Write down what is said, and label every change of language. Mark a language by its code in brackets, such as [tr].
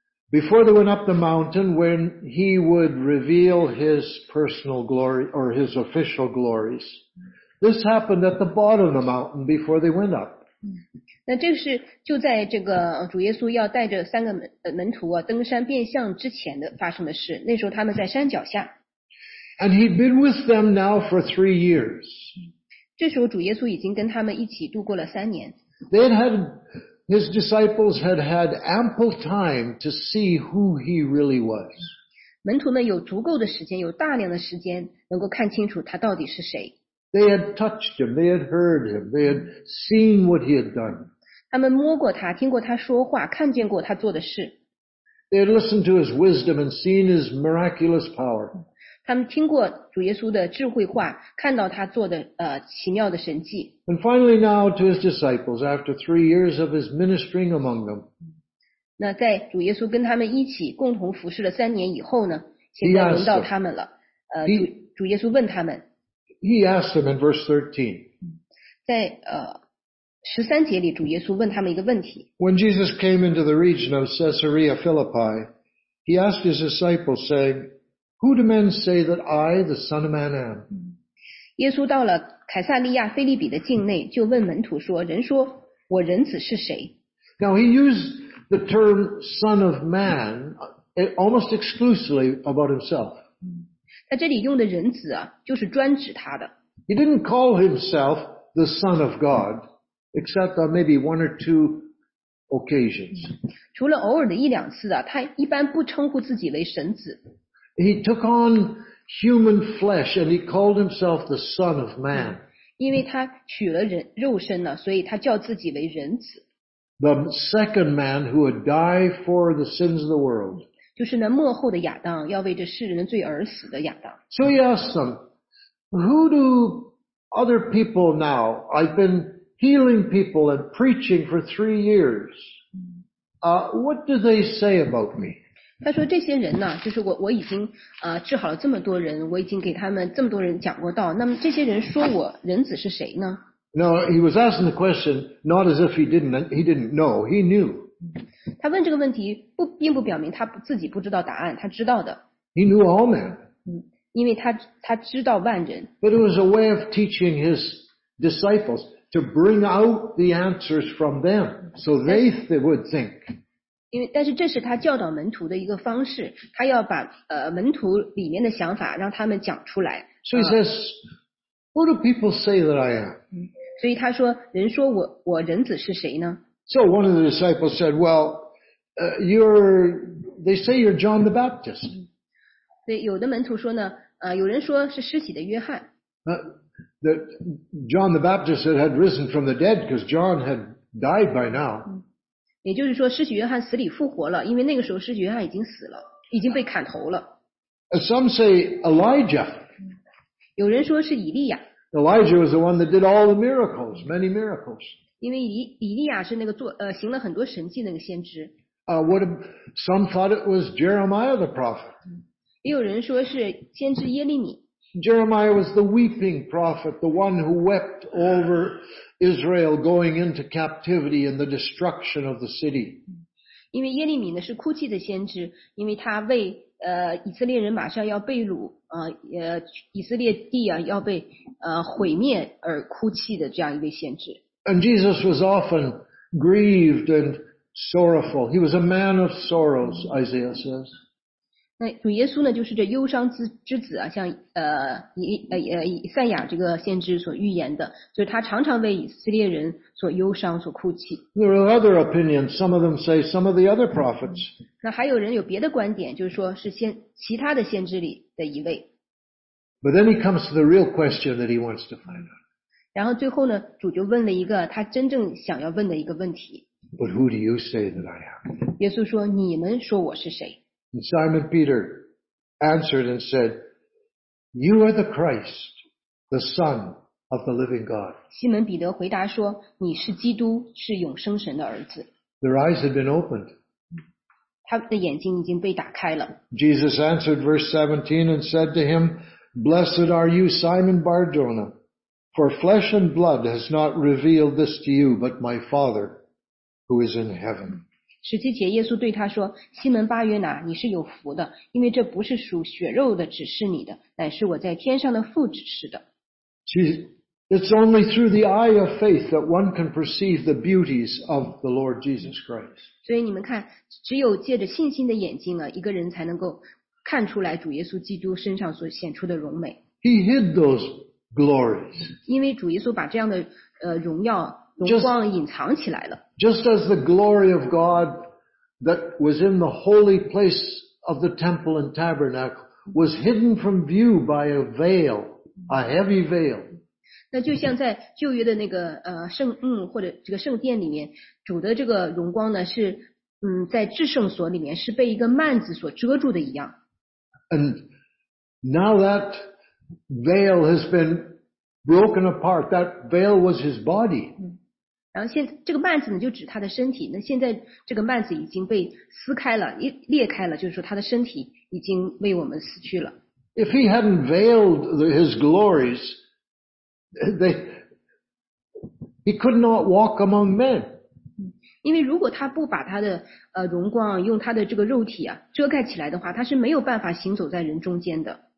[en] Before they went up the mountain when he would reveal his personal glory or his official glories. This happened at the bottom of the mountain before they went up. [zh] 那这是就在这个主耶稣要带着三个 门徒啊登山变相之前的发生的事。那时候他们在山脚下。 [en] And he'd been with them now for 3 years. [zh] 这时候主耶稣已经跟他们一起度过了三年。 [en] They had, his disciples had had ample time to see who he really was. [zh] 门徒们有足够的时间，有大量的时间能够看清楚他到底是谁。 [en] They had touched him, they had heard him, they had seen what he had done. [zh] 他们摸过他，听过他说话，看见过他做的事。 [en] They had listened to his wisdom and seen his miraculous power. [zh] 他们听过主耶稣的智慧话，看到他做的奇妙的神迹。 [en] And finally now to his disciples, after 3 years of his ministering among them. [zh] 那在主耶稣跟他们一起共同服侍了三年以后呢，现在轮到他们了。主耶稣问他们。 [en] He asked them in verse 13. [zh] 在十三节里，主耶稣问他们一个问题。 [en] When Jesus came into the region of Caesarea Philippi, he asked his disciples saying,Who do men say that I, the Son of Man, am? [zh] 耶稣到了凯撒利亚腓立比的境内，就问门徒说：“人说我人子是谁？” [en] Now he used the term "Son of Man" almost exclusively about himself. [zh] 他这里用的人子啊，就是专指他的。 [en] He didn't call himself the Son of God, except on maybe one or two occasions. [zh] 除了偶尔的一两次啊，他一般不称呼自己为神子。 [en] He took on human flesh and he called himself the Son of Man. [zh] 因为他取了人肉身了，所以他叫自己为人子。 [en] The second man who would die for the sins of the world. [zh] 就是那末后的亚当，要为这世人的罪而死的亚当。 [en] So he asked them, who do other people now? I've been healing people and preaching for 3 years. What do they say about me? [zh] 他说这些人呢就是我已经治好了这么多人我已经给他们这么多人讲过道那么这些人说我人子是谁呢 [en] No, he was asking the question not as if he didn't know, he knew. [zh] 他问这个问题并不表明他自己不知道答案他知道的。 [en] He knew all men. [zh] 因为他知道万人。 [en] But it was a way of teaching his disciples to bring out the answers from them, so they would think. [zh] 因为，但是这是他教导门徒的一个方式，他要把门徒里面的想法让他们讲出来。 [en] So he says, "What do people say that I am?" [zh] 所以他说，人说我人子是谁呢 [en] ？So one of the disciples said, "Well, they say you're John the Baptist." [zh] 对，有的门徒说呢，有人说是施洗的约翰。 [en] That John the Baptist had risen from the dead because John had died by now. [zh] 也就是说，施洗约翰死里复活了，因为那个时候施洗约翰已经死了，已经被砍头了。 [en] Some say Elijah. [zh] 有人说是以利亚。 [en] Elijah was the one that did all the miracles, many miracles. [zh] 因为以利亚是那个做行了很多神迹那个先知。 [en] Some thought it was Jeremiah the prophet. [zh] 也有人说是先知耶利米。 [en] Jeremiah was the weeping prophet, the one who wept over Israel going into captivity and the destruction of the city. [zh] 因为耶利米呢是哭泣的先知，因为他为以色列人马上要被掳，以色列地啊要被毁灭而哭泣的这样一位先知。 [en] And Jesus was often grieved and sorrowful. He was a man of sorrows, Isaiah says. [zh] 那主耶稣呢，就是这忧伤之子啊，像以赛亚这个先知所预言的，就是他常常为以色列人所忧伤、所哭泣。 [en] There are other opinions. Some of them say some of the other prophets. [zh] 那还有人有别的观点，就是说是其他的先知里的一位。 [en] But then he comes to the real question that he wants to find out. [zh] 然后最后呢，主就问了一个他真正想要问的一个问题。 [en] But who do you say that I am? [zh] 耶稣说：“你们说我是谁？” [en] And Simon Peter answered and said, "You are the Christ, the Son of the Living God." [zh] 西门彼得回答说：“你是基督，是永生神的儿子。” [en] Their eyes had been opened. [zh] 他的眼睛已经被打开了。 [en] Jesus answered verse 17 and said to him, "Blessed are you, Simon Barjona, for flesh and blood has not revealed this to you, but my Father who is in heaven." [zh] 十七节，耶稣对他说：“西门巴约拿，你是有福的，因为这不是属血肉的指示你的，乃是我在天上的父指示的。” [en] It's only through the eye of faith that one can perceive the beauties of the Lord Jesus Christ. [zh] 所以你们看，只有借着信心的眼睛啊，一个人才能够看出来主耶稣基督身上所显出的荣美。 [en] He hid those glories. [zh] 因为主耶稣把这样的荣耀。 [en] Just as the glory of God that was in the holy place of the temple and tabernacle was hidden from view by a veil, a heavy veil. [zh] 那就像在旧约的那个圣幕或者这个圣殿里面，主的这个荣光呢是在至圣所里面是被一个幔子所遮住的一样。 [en] And now that veil has been broken apart. That veil was his body. [zh] 然后现在这个幔子呢，就指他的身体。那现在这个幔子已经被撕开了，裂开了，就是说他的身体已经为我们死去了。 [en] If he hadn't veiled his glories, he could not walk among men. [zh] 因为如果他不把他的荣光用他的这个肉体啊遮盖起来的话，他是没有办法行走在人中间的。